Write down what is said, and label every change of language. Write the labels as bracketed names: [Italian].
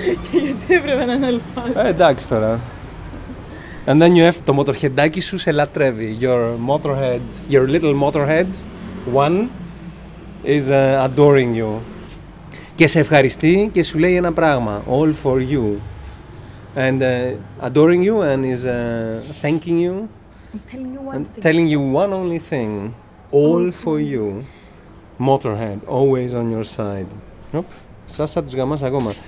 [Greek] Και γιατί έπρεπε να είναι αλφάδι. Εντάξει τώρα. [English] And then you have [Greek] το μοτορχεντάκι σου σε λατρεύει. [English] Your motorhead, your little motorhead, one, is adoring you. [Greek] Και σε ευχαριστεί και σου λέει ένα πράγμα. [English] All for you. And adoring you and is thanking you. And telling you one only thing. All for you. Motorhead, always on your side. Nope. [Greek] Σάσα τους γαμάς ακόμα.